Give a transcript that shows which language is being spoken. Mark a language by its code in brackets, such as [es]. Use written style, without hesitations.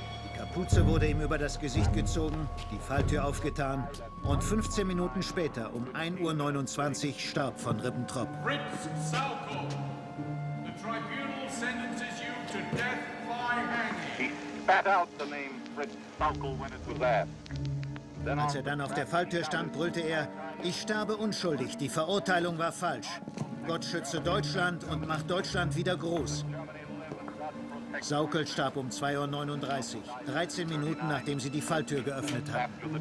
[de] Die Kapuze wurde ihm über das Gesicht gezogen, die Falltür aufgetan. Und 15 Minuten später, um 1.29 Uhr, starb von Ribbentrop. [en] Fritz Salko, the tribunal sentences you to death by hanging. He spat out the name Fritz Salko when it was asked. [de] Als er dann auf der Falltür stand, brüllte er: Ich sterbe unschuldig, die Verurteilung war falsch. Gott schütze Deutschland und macht Deutschland wieder groß. Saukel starb um 2.39 Uhr, 13 Minuten, nachdem sie die Falltür geöffnet hatten.